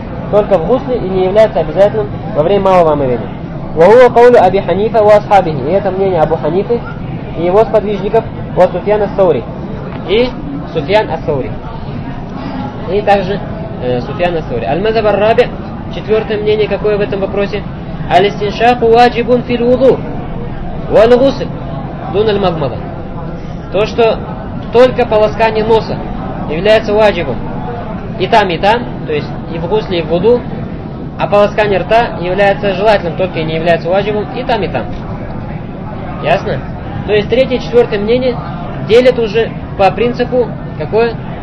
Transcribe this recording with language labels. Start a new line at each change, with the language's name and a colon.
Russian: Только в гусле и не является обязательным во время малого омовения.
Arabic: وَهُوَ قَوْلُ أَبِي حَنِيفَ وَأَصْحَابِهِ.
Russian: И это мнение Абу Ханифы и его сподвижников, وَسُفْيَانَ الثَّوْرِ. И Суфьян ас-Саури. И также Суфьян ас-Саури.
Arabic: المذهب الرابع.
Russian: Четвертое мнение какое в этом вопросе?
Arabic: الاستنشاق واجب في الوضوء والغسل دون المضمضة.
Russian: То, что только полоскание носа является ваджибом. И там, то есть и в гусле, и в вуду. А полоскание рта является желательным, только и не является ваджибом, и там, и там. Ясно? То есть третье и четвертое мнение делят уже по принципу, какое?